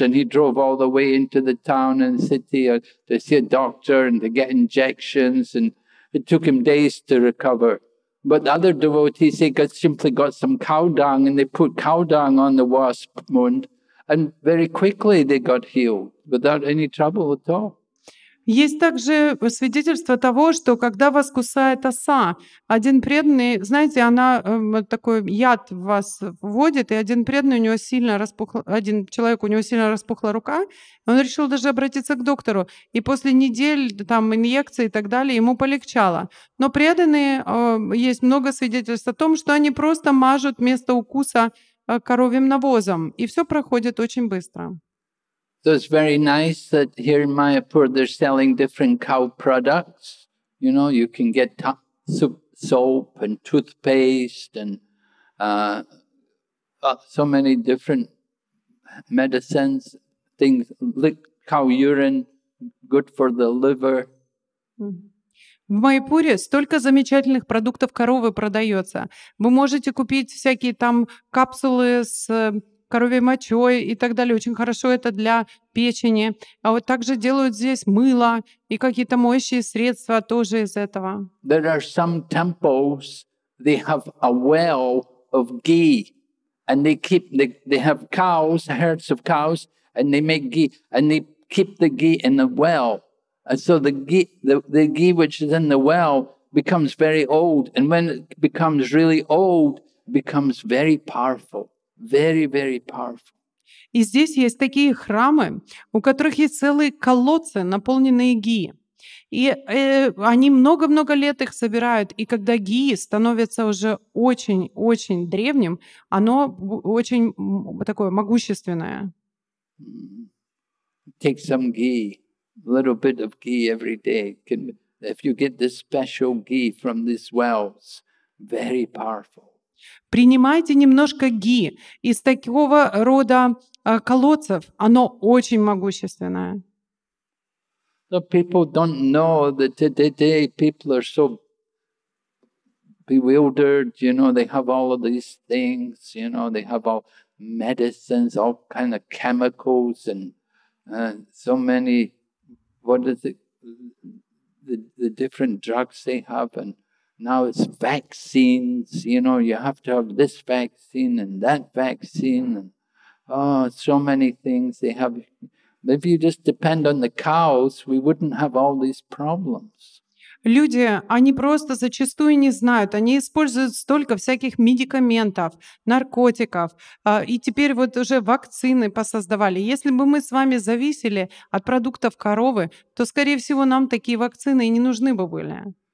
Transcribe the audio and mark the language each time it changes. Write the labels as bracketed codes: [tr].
[en] And he drove all the way into the town and city to see a doctor and to get injections. And it took him days to recover. But the other devotees, they simply got some cow dung and they put cow dung on the wasp wound. And very quickly they got healed without any trouble at all. [ru] Есть также свидетельство того, что когда вас кусает оса, один преданный, знаете, она такой яд в вас вводит, и один преданный у него сильно распухла, один человек у него сильно распухла рука, он решил даже обратиться к доктору, и после недель там инъекций и так далее ему полегчало. Но преданные, есть много свидетельств о том, что они просто мажут место укуса коровьим навозом, и все проходит очень быстро. [en] So it's very nice that here in Mayapur they're selling different cow products. You know, you can get soap and toothpaste and so many different medicines, things, cow urine, good for the liver. Mm-hmm. [ru] В Майпуре столько замечательных продуктов коровы продается. Вы можете купить всякие там капсулы с коровьей мочой и так далее. Очень хорошо это для печени. А вот также делают здесь мыло и какие-то моющие средства тоже из этого. [en] There are some temples, they have a well of ghee. And they have cows, herds of cows, and they make ghee. And they keep the ghee in the well. And so the ghee which is in the well becomes very old. And when it becomes really old, it becomes very powerful. Very, very powerful. [ru] И здесь есть такие храмы, у которых есть целые колодцы, наполненные ги. И они много-много лет их собирают. И когда ги становится уже очень-очень древним, оно очень такое могущественное. [en] Take some ghee, a little bit of ghee every day. If you get this special ghee from these wells, very powerful. [ru] Принимайте немножко ги из такого рода колодцев. Оно очень могущественное. [en] So people don't know that today people are so bewildered, you know, they have all of these things, you know, they have all medicines, all kind of chemicals and so many, what is it, the different drugs they have and now it's vaccines, you know, you have to have this vaccine and that vaccine and oh, so many things they have. If you just depend on the cows, we wouldn't have all these problems. [ru] Люди, они просто зачастую не знают, они используют столько всяких медикаментов, наркотиков, и теперь вот уже вакцины посоздавали. Если бы мы с вами зависели от продуктов коровы, то, скорее всего, нам такие вакцины и не нужны бы были.